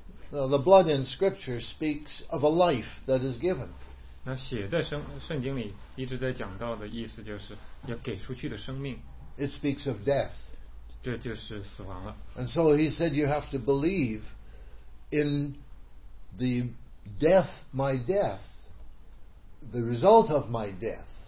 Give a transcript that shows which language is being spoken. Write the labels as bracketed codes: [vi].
[en] The blood in Scripture speaks of a life that is given. [zh] 那血在圣经里一直在讲到的意思，就是要给出去的生命。 [en] It speaks of death. [zh] 这就是死亡了。 [en] And so he said, you have to believe in the death, my death, the result of my death.